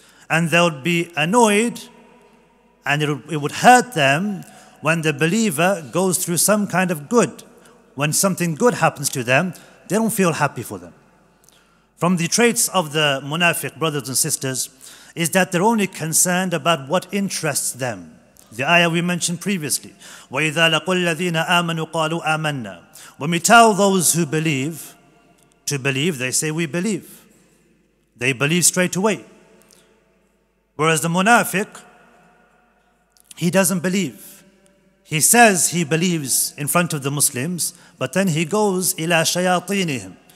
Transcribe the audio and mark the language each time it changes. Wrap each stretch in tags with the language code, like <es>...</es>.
<en>And they would be annoyed and it would hurt them when the believer goes through some kind of good. When something good happens to them, they don't feel happy for them. From the traits of the munafiq, brothers and sisters, is that they're only concerned about what interests them. The ayah we mentioned previously,</en> <ar>وَإِذَا لَقُوا الَّذِينَ آمَنُوا قَالُوا آمَنَّا.</ar> <en>When we tell those who believe to believe, they say, we believe. They believe straight away. Whereas the munafiq, he doesn't believe. He says he believes in front of the Muslims, but then he goes</en> <ar>إِلَى شَيَاطِينِهِمْ.</ar>